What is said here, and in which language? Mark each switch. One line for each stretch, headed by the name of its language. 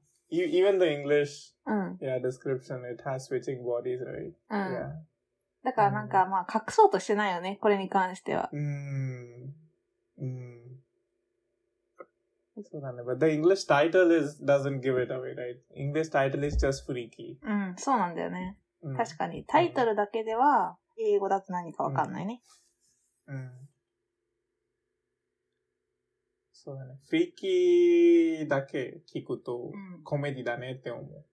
English: even the English description, it has switching bodies, right? Yeah.
Japanese: だからなんか、まあ、隠そうとしてないよね、これに関しては。そうだね。
English: But the English title is, doesn't give it away, right? English title is just freaky.
Japanese: うん、そうなんだよね。確かに、タイトルだけでは、英語だと何かわかんないね。そうだね。フリーキーだけ聞くと、コメディだねって思う。